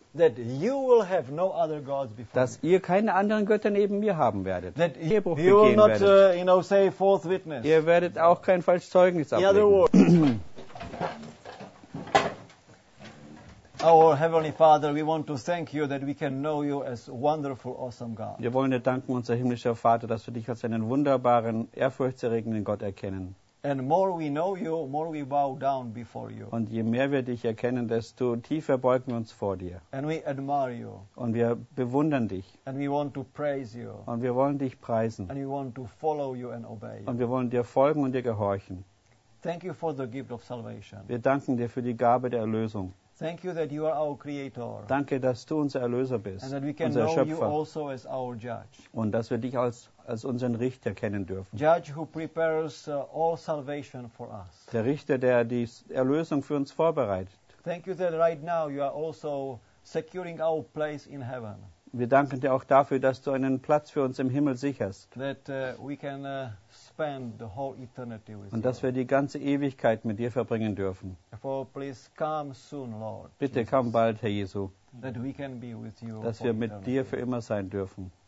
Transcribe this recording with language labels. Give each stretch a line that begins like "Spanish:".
English: That you will have no other gods before.
German: Dass ihr keine anderen Götter neben mir haben werdet.
English: That
German: Ehebruch
English: you will not,
German: werdet.
English: You know, say false witness.
German: Ihr werdet auch kein falsches Zeugnis ablegen.
English: In other words, our heavenly Father, we want to thank you that we can know you as wonderful, awesome God.
German: Wir wollen dir danken, unser himmlischer Vater, dass wir dich als einen wunderbaren, ehrfurchtserregenden Gott erkennen.
English: And more we know you, more we bow down before you.
German: Und je mehr wir dich erkennen, desto tiefer beugen wir uns vor dir.
English: And we admire you.
German: Und wir bewundern dich.
English: And we want to praise you.
German: Und wir wollen dich preisen.
English: And we want to follow you and obey you.
German: Und wir wollen dir folgen und dir gehorchen.
English: Thank you for the gift of salvation.
German: Wir danken dir für die Gabe der Erlösung.
English: Thank you that you are our Creator.
German: Danke, dass du unser Erlöser bist,
English: and that we can
German: unser
English: know
German: Schöpfer.
English: You also as our judge.
German: Und dass wir dich als unseren Richter kennen dürfen.
English: Judge who prepares all salvation for us.
German: Der Richter, der die Erlösung für uns vorbereitet.
English: Thank you that right now you are also securing our place in heaven.
German: Wir danken dir auch dafür, dass du einen Platz für uns im Himmel sicherst.
English: That we can spend the whole eternity with
German: und dass wir die ganze Ewigkeit mit dir verbringen dürfen.
English: For please come soon, Lord.
German: Bitte komm bald, Herr Jesu.
English: That we can be with you.
German: Dass wir mit dir für immer sein dürfen.